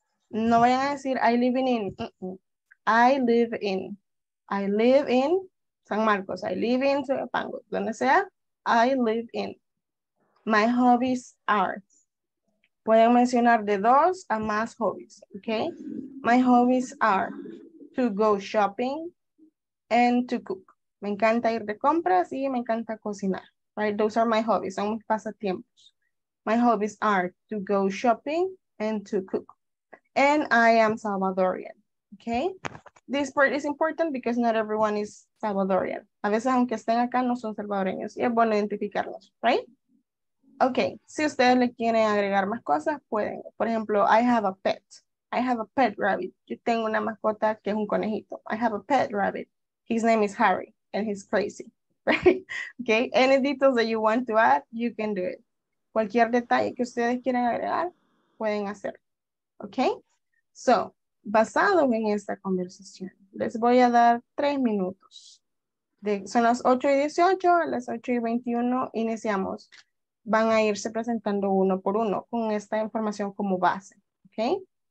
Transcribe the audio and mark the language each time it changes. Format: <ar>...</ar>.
<es>No vayan a decir</es> <en>I live in. I live in. I live in San Marcos. I live in Zapango,</en> <es>donde sea.</es> <en>I live in. My hobbies are.</en> <es>Pueden mencionar de dos a más hobbies, okay?</es> <en>My hobbies are to go shopping and to cook.</en> <es>Me encanta ir de compras y me encanta cocinar, right?</es> <en>Those are my hobbies,</en> <es>son mis pasatiempos.</es> <en>My hobbies are to go shopping and to cook. And I am Salvadorian, okay? This part is important because not everyone is Salvadorian.</en> <es>A veces, aunque estén acá, no son salvadoreños. Y es bueno identificarlos, right? Okay, si ustedes le quieren agregar más cosas, pueden. Por ejemplo,</es> <en>I have a pet. I have a pet rabbit.</en> <es>Yo tengo una mascota que es un conejito.</es> <en>I have a pet rabbit. His name is Harry, and he's crazy, right? Okay, any details that you want to add, you can do it.</en> <es>Cualquier detalle que ustedes quieran agregar, pueden hacerlo. Okay? So, basado en esta conversación, les voy a dar 3 minutos. Son las 8:18, a las 8:21 iniciamos. Van a irse presentando uno por uno con esta información como base, ¿ok?</es>